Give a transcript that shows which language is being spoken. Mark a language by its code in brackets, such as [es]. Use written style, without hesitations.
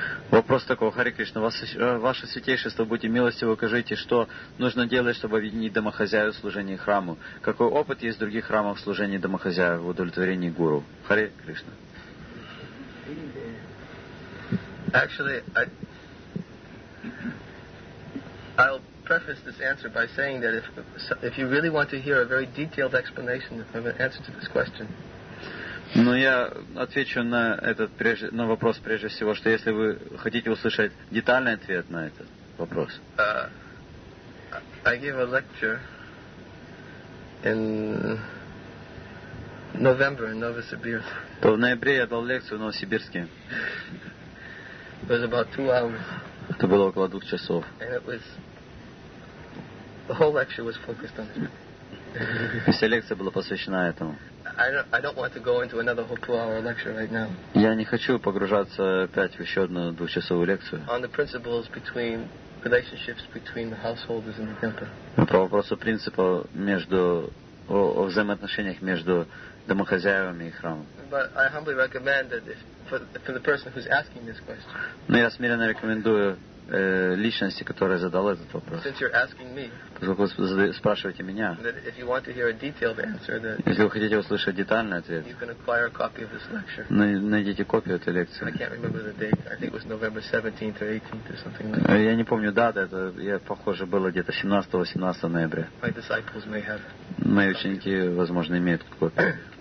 [ru] Вопрос такой: Харе Кришна, ваше святейшество, будьте милостивы, укажите, что нужно делать, чтобы объединить домохозяев в служении храму. Какой опыт есть в других храмах в служении домохозяев в удовлетворении гуру? Харе Кришна. [en] Actually, I'll preface this answer by saying that if you really want to hear a very detailed explanation of an answer to this question. [ru] Но я отвечу на этот на вопрос прежде всего, что если вы хотите услышать детальный ответ на этот вопрос. [en] I gave a lecture in November in Novosibirsk. [ru] То в ноябре я дал лекцию в Новосибирске. [en] It was about 2 hours. [ru] Это было около 2 часов. [en] And it was the whole lecture was focused on it. [ru] Вся лекция была посвящена этому. [en] I don't want to go into another whole 2-hour lecture right now. [ru] Я не хочу погружаться опять в еще одну 2-часовую лекцию. [en] On the principles between relationships between the householders and the temple. [ru] По вопросу принципа между о взаимоотношениях между домохозяевами и храмом. [en] But I humbly recommend that if for the person who's asking this question. [ru] Но я смиренно рекомендую личности, которая задала этот вопрос. [en] Since you're asking me, [ru] поскольку спрашиваете меня, [en] if you want to hear a detailed answer, that [ru] если вы хотите услышать детальный ответ, [en] you can acquire a copy of this lecture. [ru] Найдите копию этой лекции. [en] I can't remember the date. I think it was November 17th or 18th or something like that. [ru] Я не помню даты, это, я, похоже, было где-то 17-18 ноября. [en] My disciples may have. [ru] Мои ученики, возможно, имеют копию.